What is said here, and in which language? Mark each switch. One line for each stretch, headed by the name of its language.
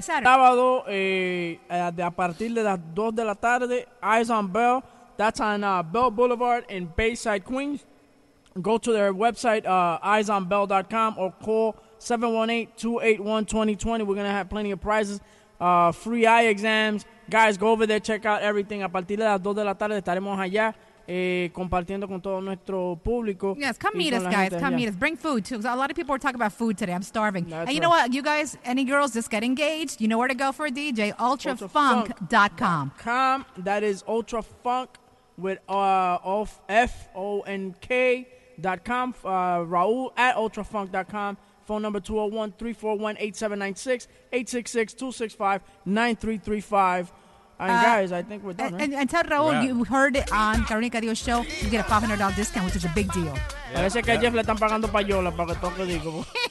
Spanish: Sábado, a partir de las 2 de la tarde,
English: Eyes on Bell. That's on Bell Boulevard in Bayside, Queens. Go to their website, eyesonbell.com, or call 718-281-2020. We're going to have plenty of prizes, free eye exams. Guys, go over there, check out everything.
Spanish: A partir de las 2 de la tarde estaremos allá compartiendo con todo nuestro público.
English: Yes, come meet us, guys. Come meet us. Bring food, too. A lot of people are talking about food today. I'm starving. That's and you right. know what? You guys, any girls, just get engaged. You know where to go for a DJ. Ultrafunk.com. That is Ultrafunk with FONK.com. Raul at Ultrafunk.com. Phone number 201-341-8796, 866-265-9335. And guys, I think we're done, right? And tell Raul, you heard it on Carolina Cadillo's show, you get a $500 discount, which is a big deal.
Spanish: Parece que Jeff le están pagando pa' Yola, pa' que toque digo.